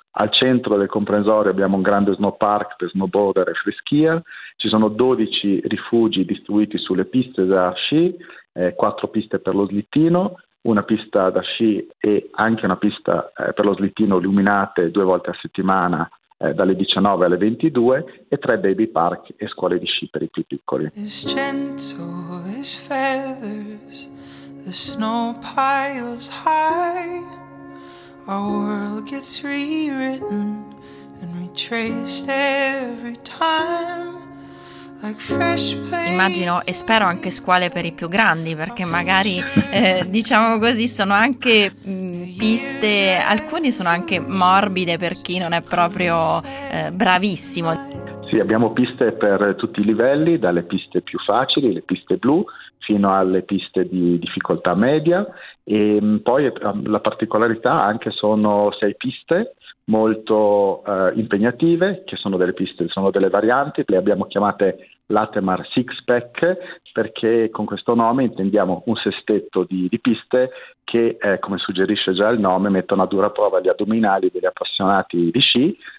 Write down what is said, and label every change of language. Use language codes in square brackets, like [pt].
[it] Al centro del comprensorio abbiamo un grande snow park per snowboarder e freeskier, ci sono 12 rifugi distribuiti sulle piste da sci, 4 piste per lo slittino, una pista da sci e anche una pista per lo slittino illuminate 2 volte a settimana dalle 19 alle 22, e 3 baby park e scuole di sci per i più piccoli. [en] As gentle as feathers, the snow piles high, our world gets rewritten and retraced every time. [it] Immagino e spero anche scuole per i più grandi, perché magari diciamo così sono anche piste, alcune sono anche morbide per chi non è proprio bravissimo. Sì, abbiamo piste per tutti i livelli, dalle piste più facili, le piste blu, fino alle piste di difficoltà media, e poi la particolarità anche sono 6 piste molto impegnative, che sono delle piste, sono delle varianti, le abbiamo chiamate Latemar Six Pack, perché con questo nome intendiamo un sestetto di piste che, come suggerisce già il nome, mettono a dura prova gli addominali degli appassionati di sci.